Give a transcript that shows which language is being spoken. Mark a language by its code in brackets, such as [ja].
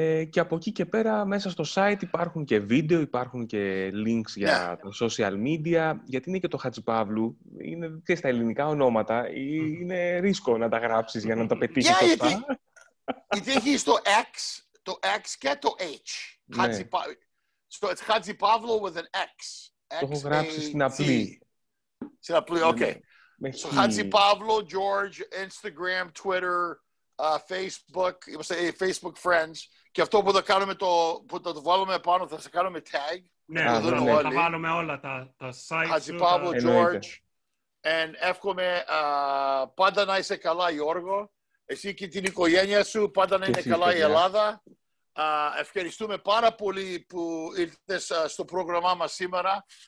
[el] Και από εκεί και πέρα, μέσα στο site υπάρχουν και βίντεο, υπάρχουν και links για τα social media, γιατί είναι και το Χατζιπαύλου, είναι και στα ελληνικά ονόματα, είναι ρίσκο να τα γράψεις για να τα πετύχεις σωστά. Γιατί, γιατί έχει το X, το X και το H. [en] So it's Χατζιπαύλου with an X. [el] Το έχω γράψει στην απλή. Στην απλή, ok. [en] So Χατζιπαύλου, George, Instagram, Twitter... Facebook, Facebook friends. [el] Και αυτό που θα κάνουμε το, που θα το βάλουμε πάνω, θα σε κάνουμε tag. Ναι, ναι, ναι. Θα βάλουμε όλα τα, τα sites. Χατζιπαύλου, George. [en] And [el] εύχομαι πάντα να είσαι καλά, Γιώργο. Εσύ και την οικογένεια σου, πάντα να είναι καλά η Ελλάδα. Ευχαριστούμε πάρα πολύ που ήρθες στο πρόγραμμά μας σήμερα.